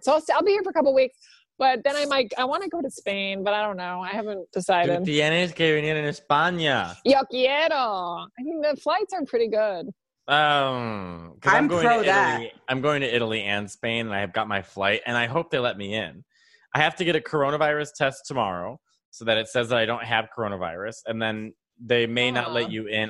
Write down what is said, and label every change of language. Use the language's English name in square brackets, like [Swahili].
[English] So I'll be here for a couple of weeks. But then I'm like, I want to go to Spain, but I don't know. I haven't decided. [Spanish] Tú tienes que venir en España. Yo quiero. [English] I mean, the flights are pretty good. I'm going to Italy and Spain, and I have got my flight, and I hope they let me in. I have to get a coronavirus test tomorrow so that it says that I don't have coronavirus, and then they may not let you in.